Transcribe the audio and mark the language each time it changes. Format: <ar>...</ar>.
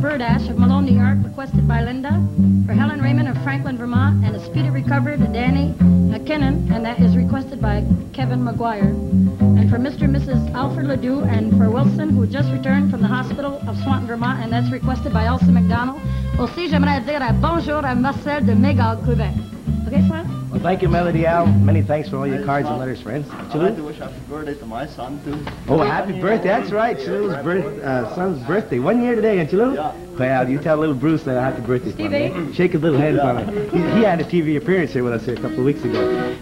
<en>Birdash of Malone, New York, requested by Linda. For Helen Raymond of Franklin, Vermont, and a speedy recovery to Danny McKinnon, and that is requested by Kevin McGuire. And for Mr. and Mrs. Alfred Ledoux and for Wilson, who just returned from the hospital of Swanton, Vermont, and that's requested by Elsa McDonald.</en> <fr>Aussi, j'aimerais dire un bonjour à Marcel de Megal, Quebec.</fr> <en>Okay, Swan? Well, thank you, Melody Al. Many thanks for all your cards and letters, friends. Chalou? I'd like to wish happy birthday to my son, too. Oh, happy birthday. That's right. Chalou's son's birthday. 1 year today, ain't Chalou? Yeah. Well, you tell little Bruce that happy birthday. Stevie? Shake his little head for him. He had a TV appearance here with us here a couple of weeks ago.</en>